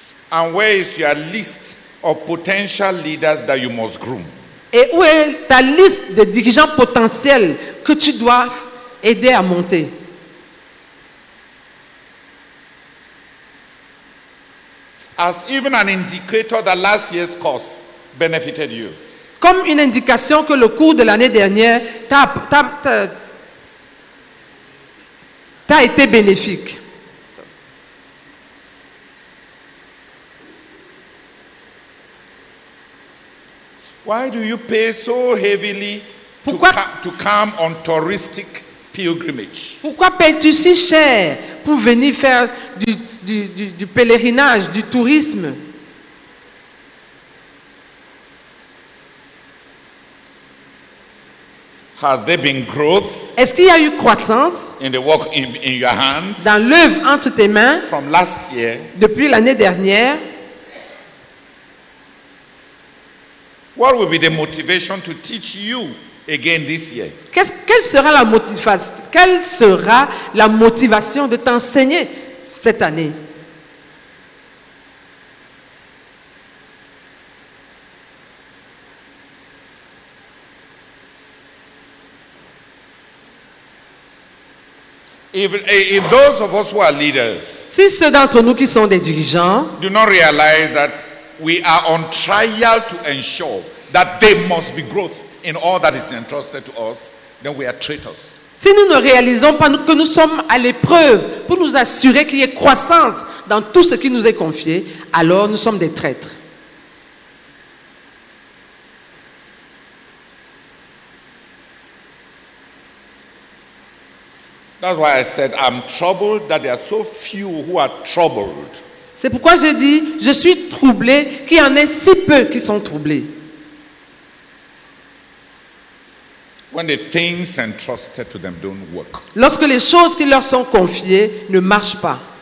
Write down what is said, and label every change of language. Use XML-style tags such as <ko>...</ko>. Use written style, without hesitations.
<en>And where is your list of potential leaders that you must groom?</en> <fr>Et où est ta liste de dirigeants potentiels que tu dois aider à monter?</fr> <en>As even an indicator that last year's course benefited you.</en> <fr>Comme une indication que le cours de l'année dernière t'a été bénéfique.</fr> <en>Why do you pay so heavily to come on touristic pilgrimage?</en> <fr>Pourquoi payes-tu si cher pour venir faire du pèlerinage, du tourisme?</fr> <en>Has there been growth?</en> <fr>Est-ce qu'il y a eu croissance?</fr> <en>In the work in your hands?</en> <fr>Dans l'œuvre entre tes mains?</fr> <en>From last year?</en> <fr>Depuis l'année dernière?</fr> <en>What will be the motivation to teach you again this year?</en> <fr>Quelle sera la motivation de t'enseigner cette année?</fr> <en>If those of us who are leaders,</en> <fr>si ceux d'entre nous qui sont des dirigeants,</fr> <en>do not realize that we are on trial to ensure that there must be growth in all that is entrusted to us, then we are traitors.</en> <fr>Si nous ne réalisons pas que nous sommes à l'épreuve pour nous assurer qu'il y ait croissance dans tout ce qui nous est confié, alors nous sommes des traîtres.</fr> <en>That's why I said I'm troubled that there are so few who are troubled.</en> <fr>C'est pourquoi j'ai dit je suis troublé qu'il y en ait si peu qui sont troublés.</fr> <en>When the things entrusted to them don't work.</en> <fr>Lorsque les choses qui leur sont confiées ne marchent pas.</fr>